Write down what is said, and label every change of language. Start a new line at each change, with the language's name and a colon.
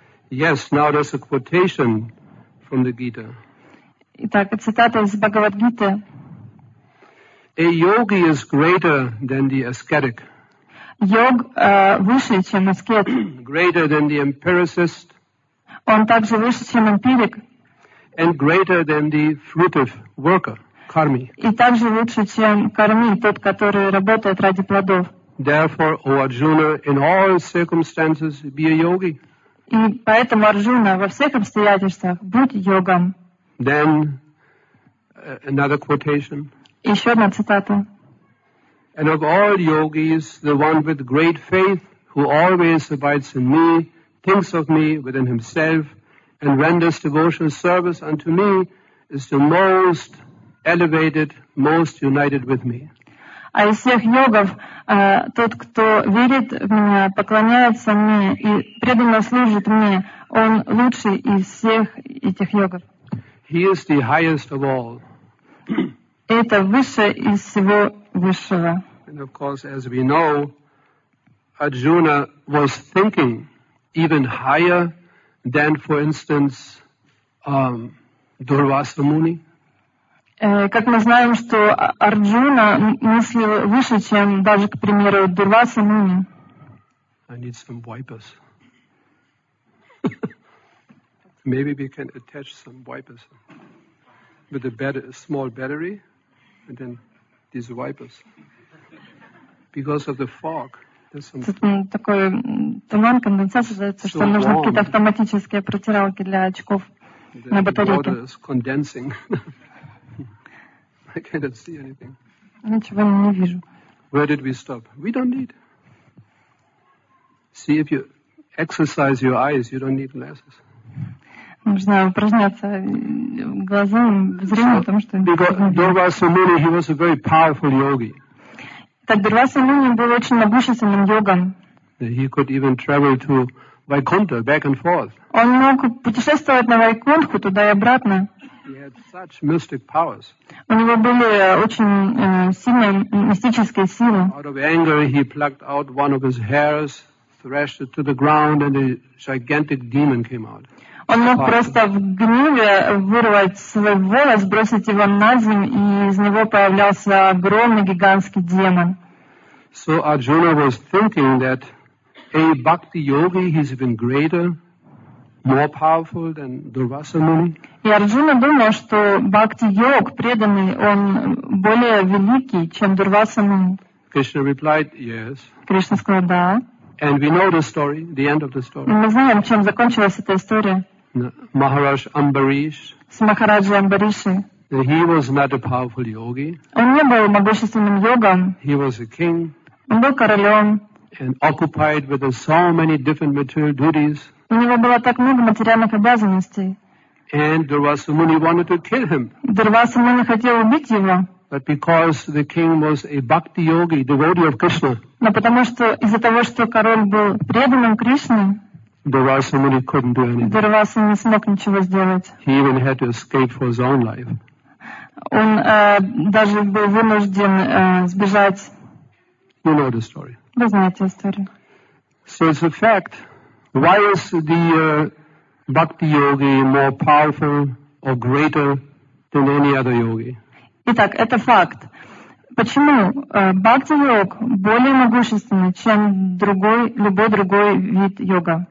English: Yes, now there's a quotation from the Gita.
Russian: Итак, цитата из Бхагавад Гиты.
English: A yogi is greater than the ascetic.
Russian: Йог выше, чем аскет.
English: Greater than the empiricist.
Russian: Он также выше, чем эмпирик.
English: And greater than the fruitive worker, карми.
Russian: И также лучше, чем карми, тот, который работает ради плодов.
English: Therefore, O Arjuna, in all circumstances, be a yogi.
Russian: И поэтому, Арджуна, во всех обстоятельствах, будь йогом.
English: Then, another quotation.
Russian: Еще одна цитата.
English: And of all yogis, the one with great faith, who always abides in me, thinks of me within himself, and renders devotional service unto me, is the most elevated, most united with me.
Russian: А из всех йогов, тот, кто верит в меня, поклоняется мне и преданно служит мне, он лучший из всех этих йогов.
English: He is the highest of all.
Russian: Это высшее из всего высшего.
English: And of course, as we know, Arjuna was thinking even higher than, for instance, Durvasa Muni.
Russian: Как мы знаем, что Арджуна мыслил выше, чем даже, к примеру, Дурваса Муни.
English: I need some wipers. Maybe we can attach some wipers. with a small battery and then these wipers. Because of the fog, there's some...
Russian: такой туман, конденсат, создается, что нужны какие-то автоматические протиралки для очков на батарейке.
English: The water is condensing. I cannot see anything.
Russian: Ничего не вижу.
English: Where did we stop? We don't need. See, if you exercise your eyes, you don't need glasses.
Russian: Нужно упражняться глазом, зрением, потому что...
English: Because Durvasa Muni, he was a very powerful yogi.
Russian: Так Дурваса Муни был очень могущественным йогом.
English: He could even travel to Vaikuntha, back and forth.
Russian: Он мог путешествовать на Вайкунху туда и обратно.
English: He had such mystic powers.
Russian: У него были очень сильные мистические силы.
English: Out of anger, he plucked out one of his hairs, thrashed it to the ground, and a gigantic demon came out.
Russian: Он мог просто в гневе вырвать свой волос, бросить его на землю, и из него появлялся огромный гигантский демон.
English: So Arjuna was thinking that a bhakti yogi is even greater, more powerful than Durvasa Muni.
Russian: И Арджуна думал, что бхакти йог преданный, он более великий, чем Дурваса Муни.
English: Krishna replied, yes.
Russian: Кришна сказал, да.
English: And we know the story, the end of the story.
Russian: Мы знаем, чем закончилась эта история.
English: Maharaj Ambarish.
Russian: С Махараджи Амбариши.
English: He was not a powerful yogi.
Russian: Он не был могущественным йогом.
English: He was a king.
Russian: Он был королем.
English: And occupied with so many different material duties.
Russian: У него было так много материальных обязанностей.
English: And Durvasa Muni wanted to kill him.
Russian: Durvasa Muni хотел убить его.
English: But because the king was a bhakti yogi, devotee of Krishna.
Russian: Но потому что из-за того, что король был преданным Кришне.
English: Durvasa Muni couldn't do anything.
Russian: Durvasa не смог ничего сделать.
English: He even had to escape for his own life.
Russian: Он даже был вынужден сбежать.
English: You know the story.
Russian: Вы знаете историю.
English: So it's a fact. Why is the bhakti yogi more powerful or greater than any other yogi?
Russian: Итак, это факт. Почему бхакти-йог более могущественный, чем другой, любой другой вид йога?